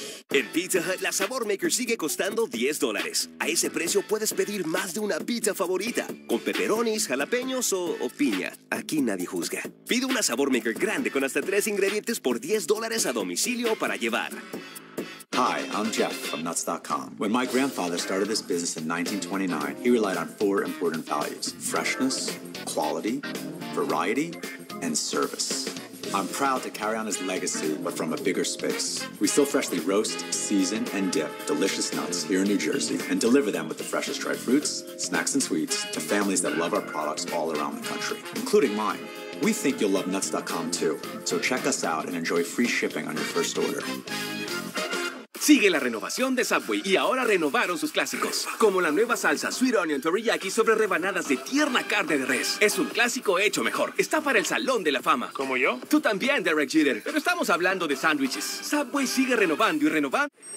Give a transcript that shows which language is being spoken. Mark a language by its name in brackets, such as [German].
[Spanish] En Pizza Hut, la Sabor Maker sigue costando $10. A ese precio puedes pedir más de una pizza favorita, con pepperonis, jalapeños o piña. Aquí nadie juzga. Pide una Sabor Maker grande con hasta 3 ingredientes por $10 a domicilio para llevar. [English] Hi, I'm Jeff from Nuts.com. When my grandfather started this business in 1929, he relied on 4 important values: freshness, quality, variety, and service. I'm proud to carry on his legacy, but from a bigger space. We still freshly roast, season, and dip delicious nuts here in New Jersey and deliver them with the freshest dried fruits, snacks, and sweets to families that love our products all around the country, including mine. We think you'll love Nuts.com too, so check us out and enjoy free shipping on your first order. [Spanish] Sigue la renovación de Subway y ahora renovaron sus clásicos, como la nueva salsa Sweet Onion Teriyaki sobre rebanadas de tierna carne de res. Es un clásico hecho mejor. Está para el Salón de la Fama. ¿Como yo? Tú también, Derek Jeter. Pero estamos hablando de sándwiches. Subway sigue renovando y renovando.